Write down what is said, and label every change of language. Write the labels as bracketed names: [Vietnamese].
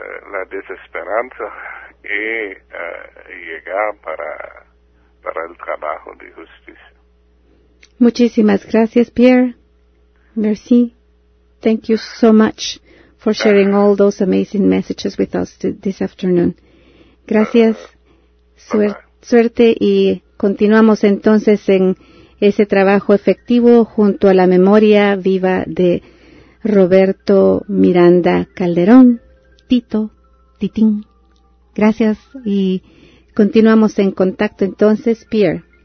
[Spanish] la desesperanza y llegar para el trabajo de justicia. Muchísimas gracias, Pierre. [French] Merci. [English] Thank you so much for sharing all those amazing messages with us this afternoon. [Spanish] Gracias. Suerte y continuamos entonces en ese trabajo efectivo junto a la memoria viva de Roberto Miranda Calderón, Tito, Titín. Gracias y continuamos en contacto entonces, Pierre.